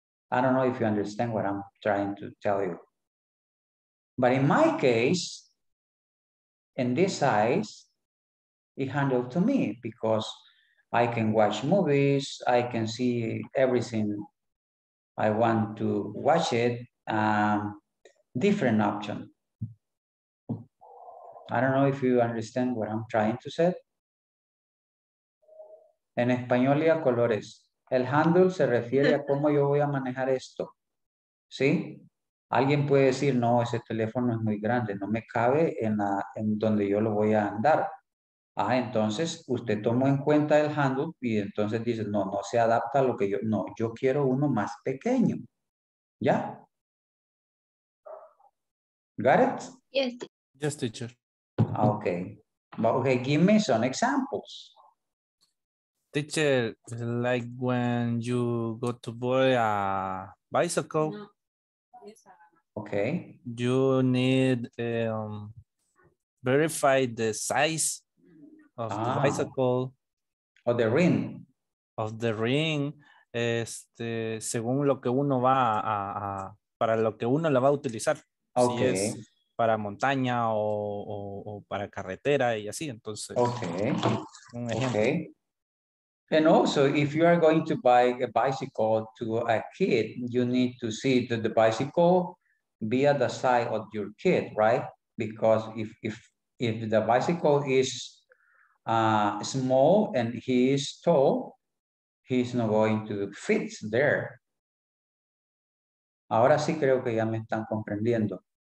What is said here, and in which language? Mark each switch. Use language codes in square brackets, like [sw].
[en] I don't know if you understand what I'm trying to tell you. But in my case, in this size, it handled to me because I can watch movies, I can see everything I want to watch it, different option. I don't know if you understand what I'm trying to say. [es] En español y a colores, el handle se refiere a cómo yo voy a manejar esto, ¿sí? Alguien puede decir, no, ese teléfono es muy grande, no me cabe en donde yo lo voy a andar. Ah, entonces usted tomó en cuenta el handle y entonces dice, no, no se adapta a lo que yo, no, yo quiero uno más pequeño, ¿ya? [en] Got it? Yes. Yes, teacher. Okay. Okay, give me some examples. Teacher, like when you go to buy a bicycle. No. Okay. You need verify the size of the bicycle. Or the ring. Of the ring. [es] Este, según lo que uno va a para lo que uno la va a utilizar. Okay. Si es para montaña o para carretera y así, entonces. Okay. Un ejemplo. Okay. [en] And also, if you are going to buy a bicycle to a kid, you need to see that the bicycle be at the side of your kid, right? Because if the bicycle is small and he is tall, he's not going to fit there. [es] Ahora sí creo que ya me están comprendiendo.